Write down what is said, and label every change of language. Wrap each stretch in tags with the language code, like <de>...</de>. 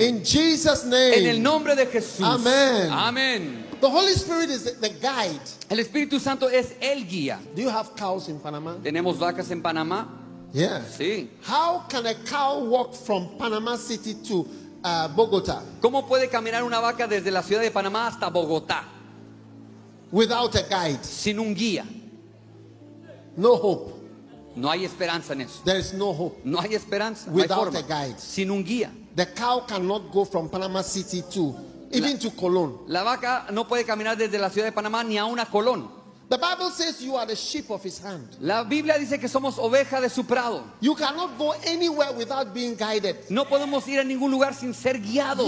<en>In Jesus' name.</en> <es>En el nombre de Jesús.</es> <en>Amen.</en> <es>Amen.</es> <en>The Holy Spirit is the guide.</en> <es>El Espíritu Santo es el guía.</es> <en>Do you have cows in Panama?</en> <es>¿Tenemos vacas en Panamá?</es> <en>Yeah.</en> <es>Sí.</es> <en>How can a cow walk from Panama City to Bogota?</en> <es>¿Cómo puede caminar una vaca desde la ciudad de Panamá hasta Bogotá?</es> <en>Without a guide.</en> <es>Sin un guía.</es> <en>No hope.</en> <es>No hay esperanza en eso.</es> <en>There is no hope.</en> <es>No hay esperanza.</es> <en>Without</en> <es>no hay</es> <en>a guide.</en> <es>Sin un guía.</es> <en>The cow cannot go from Panama City to even to Colón.</en> <es>La vaca no puede caminar desde la ciudad de Panamá ni aun a Colón.</es> <en>The Bible says you are the sheep of his hand.</en> <es>La Biblia dice que somos oveja de su prado.</es> <en>You cannot go anywhere without being guided.</en> <es>No podemos ir a ningún lugar sin ser guiados.</es>